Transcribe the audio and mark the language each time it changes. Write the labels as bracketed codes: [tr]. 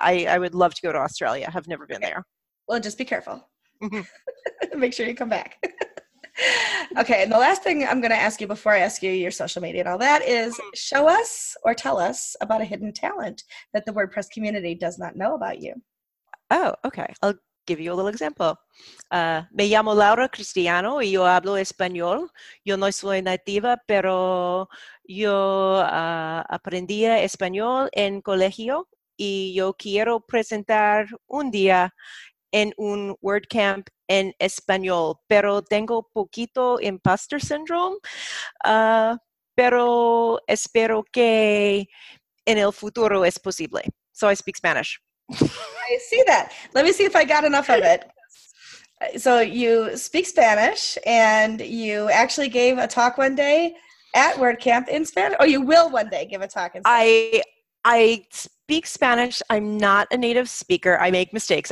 [en] I would love to go to Australia. Have never been there. Well, just be careful. Mm-hmm. Make sure you come back. Okay. And the last thing I'm going to ask you before I ask you your social media and all that is show us or tell us about a hidden talent that the WordPress community does not know about you. Oh, okay. I'll give you a little example. [es] Me llamo Laura Cristiano y yo hablo español. Yo no soy nativa, pero yo aprendí español en colegio y yo quiero presentar un día en un WordCamp en español, pero tengo poquito [en] imposter syndrome, [es] pero espero que en el futuro es posible. [en] So I speak Spanish. I see that. Let me see if I got enough of it. So you speak Spanish, and you actually gave a talk one day at WordCamp in Spanish. Or you will one day give a talk in Spanish. I speak Spanish. I'm not a native speaker. I make mistakes.